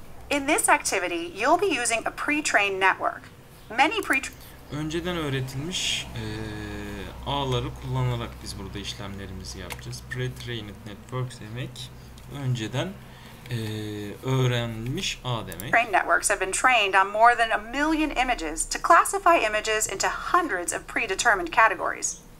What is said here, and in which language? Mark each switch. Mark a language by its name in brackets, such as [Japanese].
[English] In this activity, you'll be using a pre-trained network. Many pre-trained. [Turkish] Önceden öğretilmiş ağları kullanarak biz burada işlemlerimizi yapacağız. Pre-trained networks demek, önceden öğrenmiş ağ demek. [English] Trained networks have been trained on more than a million images to classify images into hundreds of predetermined categories.